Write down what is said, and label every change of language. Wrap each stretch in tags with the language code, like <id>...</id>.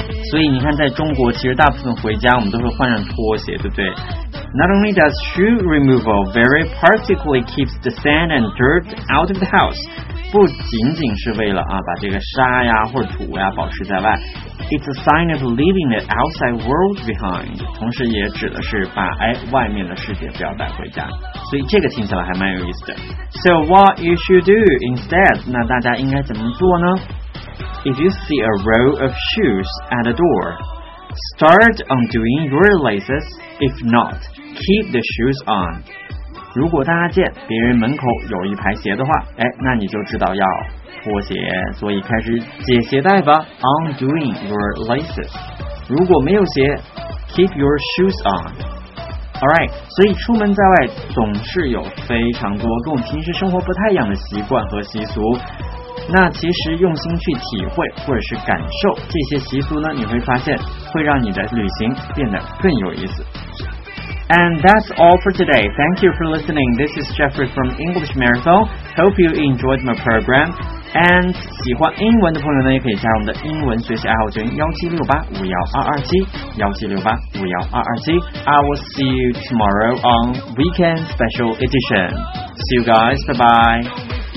<zh>所以你看在中国其实大部分回家我们都会换上拖鞋，对不对？</zh> <en>Not only does shoe removal very particularly keeps the sand and dirt out of the house,</en> <zh>不仅仅是为了把这个沙呀或者土呀保持在外。</zh> <en>It's a sign of leaving the outside world behind.</en> <zh>同时也指的是把外面的世界不要带回家。所以这个听起来还蛮有意思的。</zh> <en>So what you should do instead?</en> <zh>那大家应该怎么做呢？</zh> <en>If you see a row of shoes at the door, start undoing your laces. If not, keep the shoes on.</en> <zh>如果大家见别人门口有一排鞋的话，那你就知道要脱鞋，所以开始解鞋带吧。</zh> <en>Undoing your laces.</en> <zh>如果没有鞋 ，</zh> <en>keep your shoes on.</en> <zh>Alright, 所以出门在外总是有非常多跟我平时生活不太一样的习惯和习俗，那其实用心去体会或者是感受这些习俗呢，你会发现会让你的旅行变得更有意思。</zh> <en>And that's all for today. Thank you for listening. This is Jeffrey from English Marathon. Hope you enjoyed my program.</en> <zh>And 喜欢英文的朋友呢，也可以加入我们的英文学习爱好群1768-51227 1768-51227。</zh> <en>I will see you tomorrow on Weekend Special Edition. See you guys, bye bye.</en>